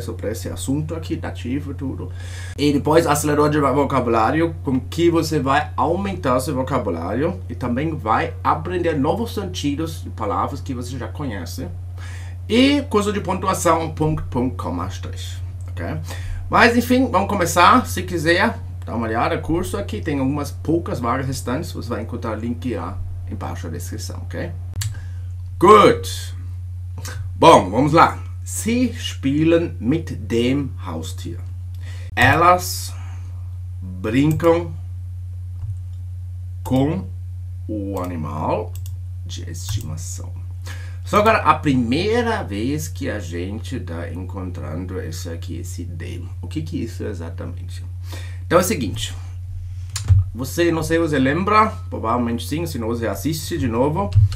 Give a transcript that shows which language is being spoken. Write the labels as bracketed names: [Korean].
[Portuguese] Sobre esse assunto aqui, dativo e tudo. E depois, acelerador de vocabulário, com que você vai aumentar seu vocabulário e também vai aprender novos sentidos de palavras que você já conhece. E curso de pontuação, ponto, coma, asterisco, ok? Mas enfim, vamos começar. Se quiser, dá uma olhada. Curso aqui tem algumas poucas vagas restantes, você vai encontrar o link lá embaixo da descrição, ok? [English] Good! [Portuguese] Bom, vamos lá. [German] Sie spielen mit dem Haustier. [Portuguese] Elas brincam com o animal de estimação. Só que agora, a primeira vez que a gente está encontrando esse aqui, esse dem. O que que isso é exatamente? Então é o seguinte. Você, não sei se você lembra, provavelmente sim, se não você assiste de novo.